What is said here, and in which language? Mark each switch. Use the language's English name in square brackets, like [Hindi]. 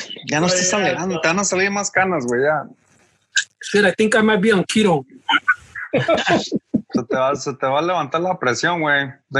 [Spanish] Ya no estás alegando, te van a salir más canas, güey, ya. [English] Shit, I think I might be on keto. [Spanish] Se te va a levantar la presión, güey.